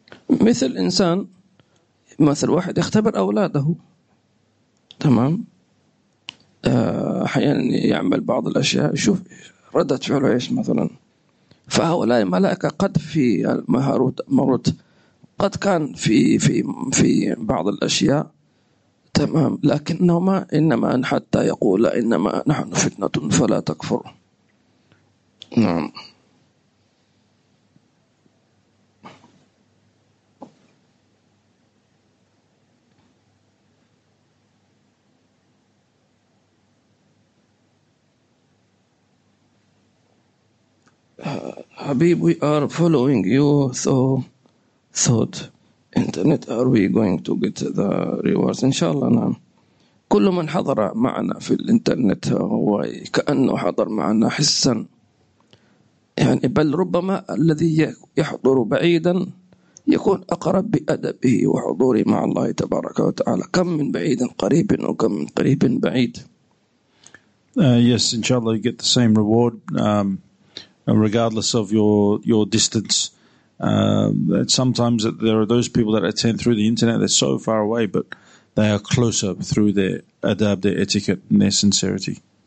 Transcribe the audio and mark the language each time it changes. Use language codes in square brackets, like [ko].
[ar] مثل إنسان مثل واحد يختبر أولاده تمام أحيانا يعمل بعض الأشياء شوف ردة فعله إيش مثلا. فهؤلاء الملائكة قد في ماروت قد كان في في في بعض الأشياء تمام لكنهما إنما حتى يقول إنما نحن فتنة فلا تكفر. نعم [en] Habib, we are following you, so thought, internet, are we going to get the rewards? [ar] Inshallah, na'am. كل من حضر معنا في الانترنت هو كأنه حضر معنا حسا. يعني بل ربما الذي يحضر بعيدا يكون أقرب بأدبه وحضوره مع الله تبارك وتعالى. كم من بعيد قريب وكم من قريب بعيد. [en] Yes, inshallah, you get the same reward. Regardless of your distance, that sometimes there are those people that attend through the internet. They're so far away, but they are closer through their adab, their etiquette, and their sincerity.